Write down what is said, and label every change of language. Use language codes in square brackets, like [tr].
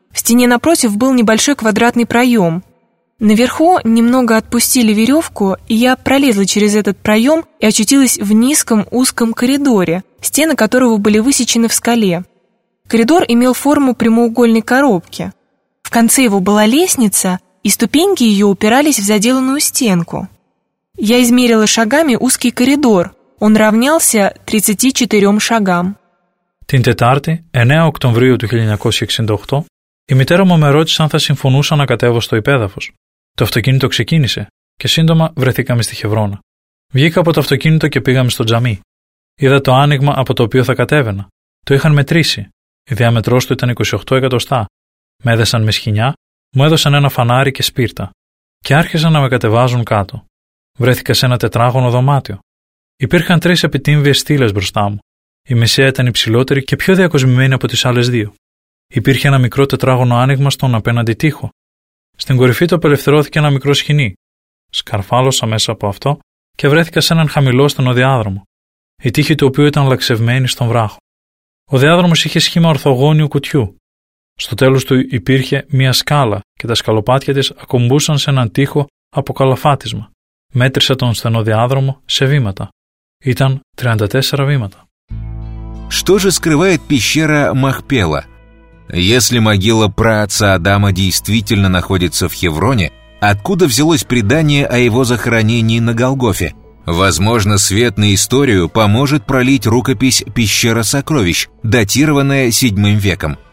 [ru] В стене напротив был небольшой квадратный проем. Наверху немного отпустили веревку, и я пролезла через этот проем и очутилась в низком узком коридоре, стены которого были высечены в скале. Коридор имел форму прямоугольной коробки. В конце его была лестница, и ступеньки ее упирались в заделанную стенку. Я измерила шагами узкий коридор. Он равнялся 34 шагам. [el] Την Τετάρτη, 9 Οκτωβρίου του 1968, η μητέρα μου με ρώτησε αν θα συμφωνούσα να κατέβω στο υπέδαφος. Το αυτοκίνητο ξεκίνησε και σύντομα βρεθήκαμε στη Χεβρώνα. Βγήκα από το αυτοκίνητο και πήγαμε στο τζαμί. Είδα το άνοιγμα από το οποίο θα κατέβαινα. Το είχαν μετρήσει. Η διάμετρός του ήταν 28 εκατοστά. Με έδεσαν με σχοινιά, μου έδωσαν ένα φανάρι και σπίρτα και άρχισαν να με κατεβάζουν κάτω. Βρέθηκα σε ένα τετράγωνο δωμάτιο. Υπήρχαν τρεις επιτύμβιες στήλες μπροστά μου. Η μεσαία ήταν υψηλότερη και πιο διακοσμημένη από τις άλλες δύο. Υπήρχε ένα μικρό τετράγωνο άνοιγμα στον απέναντι τοίχο. Στην κορυφή του απελευθερώθηκε ένα μικρό σχοινί. Σκαρφάλωσα μέσα από αυτό και βρέθηκα σε έναν χαμηλό στενό διάδρομο, η τύχη του οποίου ήταν λαξευμένη στον βράχο. Ο διάδρομος είχε σχήμα ορθογώνιου κουτιού. Στο τέλος του υπήρχε μία σκάλα και τα σκαλοπάτια της ακουμπούσαν σε έναν τοίχο από καλαφάτισμα. Μέτρησα τον στενό διάδρομο σε βήματα. Ήταν 34 βήματα. [ru] Что же скрывает пещера Махпела? Если могила праотца Адама действительно находится в Хевроне, откуда взялось предание о его захоронении на Голгофе? Возможно, свет на историю поможет пролить рукопись «Пещера сокровищ», датированная 7 веком.